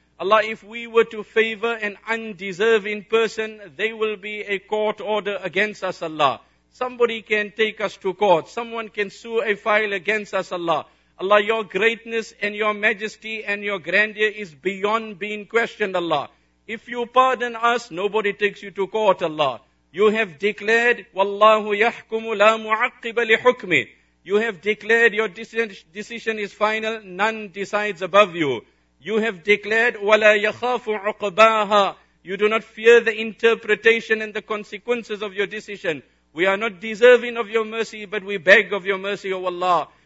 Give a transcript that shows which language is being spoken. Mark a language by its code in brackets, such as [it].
[en] Allah, if we were to favor an undeserving person, they will be a court order against us, Allah. Somebody can take us to court. Someone can sue a file against us, Allah. Allah, your greatness and your majesty and your grandeur is beyond being questioned, Allah. If you pardon us, nobody takes you to court, Allah. You have declared, [ar] وَاللَّهُ يَحْكُمُ لَا مُعَقِّبَ لِحُكْمِ. [en] You have declared your decision is final. None decides above you. You have declared, [ar] وَلَا يَخَافُ عُقْبَاهَا. [en] You do not fear the interpretation and the consequences of your decision. We are not deserving of your mercy, but we beg of your mercy, O Allah.